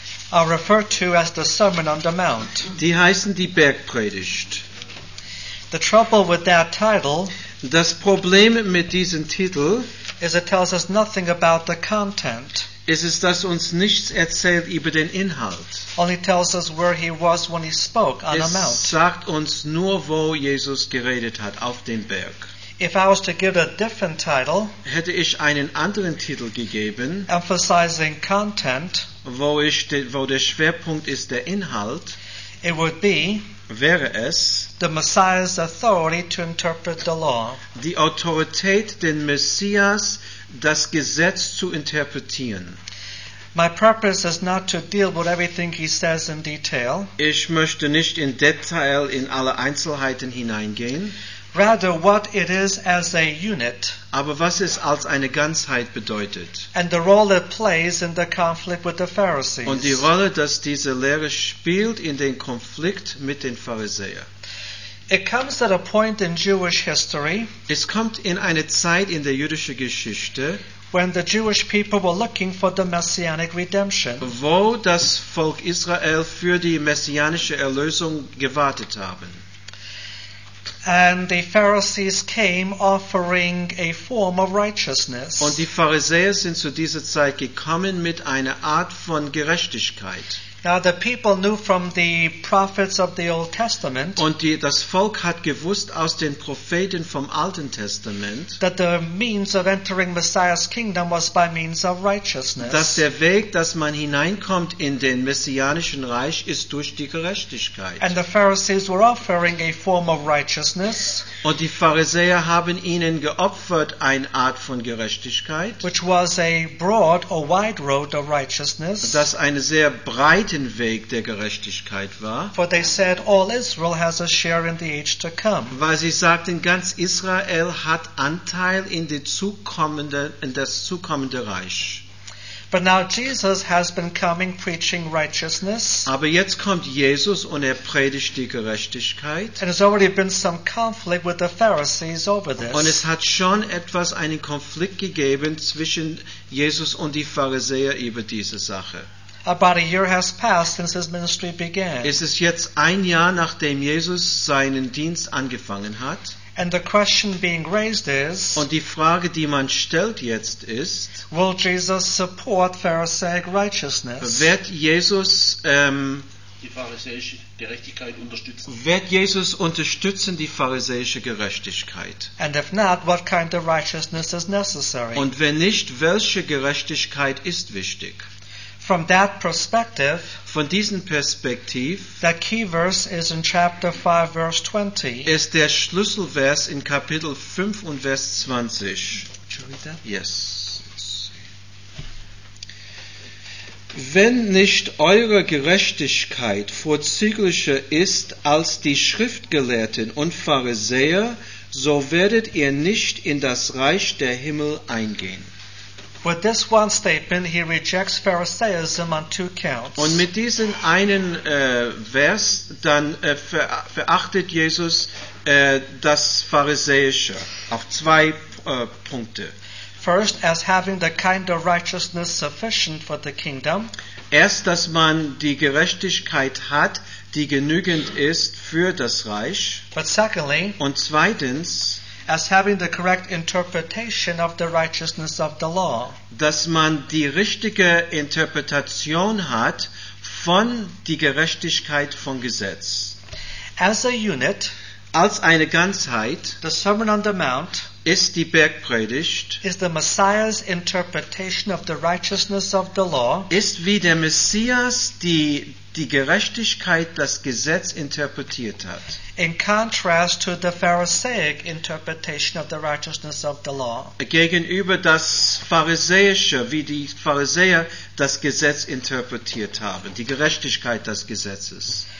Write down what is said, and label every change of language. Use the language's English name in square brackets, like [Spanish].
[English] are referred to as the Sermon on the Mount. [German] Die heißen die Bergpredigt. [English] The trouble with that title. [German] Das Problem mit diesem Titel [English] is it tells us nothing about the content. [German] Ist es, dass uns nichts erzählt über den Inhalt. [English] Only tells us where he was when he spoke on [German] es [English] the mount. [German] Sagt uns nur, wo Jesus geredet hat, auf dem Berg. [English] If I was to give a different title, [German] hätte ich einen anderen Titel gegeben, [English] emphasizing content, [German] wo der Schwerpunkt ist der Inhalt, [English] it would be [German] wäre es [English] the Messiah's authority to interpret the law. [German] Die Autorität, den Messias, das Gesetz zu interpretieren. [English] My purpose is not to deal with everything he says in detail. [German] Ich möchte nicht in Detail in alle Einzelheiten hineingehen. [English] Rather, what it is as a unit. [German] Aber was es als eine Ganzheit bedeutet. [English] And the role it plays in the conflict with the Pharisees. [German] Und die Rolle, dass diese Lehre spielt in den Konflikt mit den Pharisäern. [English] It comes at a point in Jewish history. [German] Es kommt in eine Zeit in der jüdischen Geschichte. [English] When the Jewish people were looking for the messianic redemption. [German] Wo das Volk Israel für die messianische Erlösung gewartet haben. [English] And the Pharisees came offering a form of righteousness. [German] Und die Pharisäer sind zu dieser Zeit gekommen mit einer Art von Gerechtigkeit. [English] Now the people knew from the prophets of the Old Testament. [German] Und das Volk hat gewusst aus den Propheten vom Alten Testament. [English] That the means of entering Messiah's kingdom was by means of righteousness. [German] Dass der Weg, dass man hineinkommt in den messianischen Reich, ist durch die Gerechtigkeit. [English] And the Pharisees were offering a form of righteousness. [German] Und die Pharisäer haben ihnen geopfert eine Art von Gerechtigkeit, [English] which was a broad or wide road of righteousness, [German] das einen sehr breiten Weg der Gerechtigkeit war, [English] for they said all Israel has a share in the age to come, [German] weil sie sagten, ganz Israel hat Anteil in die zukommende, in das zukommende Reich. [English] But now Jesus has been coming preaching righteousness. [German] Aber jetzt kommt Jesus und er predigt die Gerechtigkeit. [English] And there's already been some conflict with the Pharisees over this. [German] Und es hat schon etwas einen Konflikt gegeben zwischen Jesus und die Pharisäer über diese Sache. [English] About a year has passed since his ministry began. [German] Es ist jetzt ein Jahr nachdem Jesus seinen Dienst angefangen hat. [English] And the question being raised is, [German] und die Frage, die man stellt jetzt ist, [English] will Jesus support Pharisaic righteousness? [German] Wird Jesus die pharisäische Gerechtigkeit unterstützen? Wird Jesus unterstützen die pharisäische Gerechtigkeit? [English] And if not, what kind of righteousness is necessary? [German] Und wenn nicht, welche Gerechtigkeit ist wichtig? [English] From that perspective, [German] von diesen Perspektiv, [English] the key verse is in chapter 5, verse 20. [German] Ist der Schlüsselvers in Kapitel 5 und Vers 20. [English] Would you read that? Yes. [German] Wenn nicht eure Gerechtigkeit vorzüglicher ist als die Schriftgelehrten und Pharisäer, so werdet ihr nicht in das Reich der Himmel eingehen. [English] With this one statement, he rejects Pharisaism on two counts. [German] Und mit diesem einen Vers dann verachtet Jesus das Pharisäische auf zwei Punkte. [English] First, as having the kind of righteousness sufficient for the kingdom. [German] Erst, dass man die Gerechtigkeit hat, die genügend ist für das Reich. [English] But secondly, [German] und zweitens, [English] as having the correct interpretation of the righteousness of the law, [German] dass man die richtige Interpretation hat von die Gerechtigkeit von Gesetz. [English] As a unit, [German] als eine Ganzheit, [English] the Sermon on the Mount [German] ist die Bergpredigt, [English] is the Messiah's interpretation of the righteousness of the law, [German] ist wie der Messias die Gerechtigkeit, das Gesetz interpretiert hat. [English] In contrast to the Pharisaic interpretation of the righteousness of the law. [German] Gegenüber das Pharisäische, wie die Pharisäer das Gesetz interpretiert haben, die Gerechtigkeit des Gesetzes.